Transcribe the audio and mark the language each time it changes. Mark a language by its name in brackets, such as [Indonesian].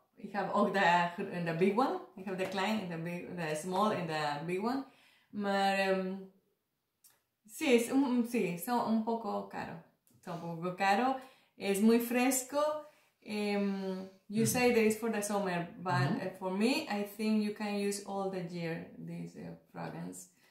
[English] I have all the big one. I have the client, the small and the big one. But [Spanish] Sí, es un, sí, son un poco caro. Son un poco caro. Es muy fresco. [English] You say that it's for the summer, but for me, I think you can use all the year this fragrance.